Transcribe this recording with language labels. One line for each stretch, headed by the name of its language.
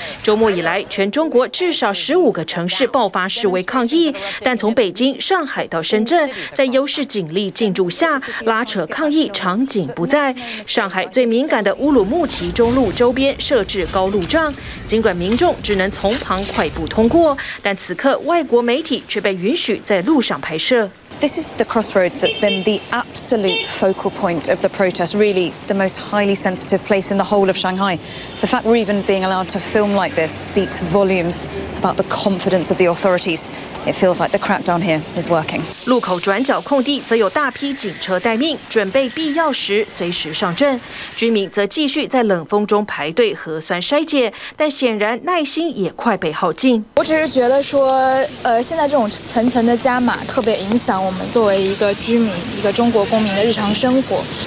Chinese: 周末以来，全中国至少15个城市爆发示威抗议，但从北京、上海到深圳，在优势警力进驻下，拉扯抗议场景不再。上海最敏感的乌鲁木齐中路周边设置高路障，尽管民众只能从旁快步通过，但此刻外国媒体却被允许在路上拍摄。
English: This is the crossroads that's been the absolute focal point of the protest, really the most highly sensitive place in the whole of Shanghai. The fact we're even being allowed to film like this speaks volumes about the confidence of the authorities. It feels like the crackdown here is working.
Chinese: 路口转角空地则有大批警车待命，准备必要时随时上阵。居民则继续在冷风中排队核酸筛检，但显然耐心也快被耗尽。我只是觉得说，现在这种层层的加码特别影响我们作为一个居民，一个中国公民的日常生活。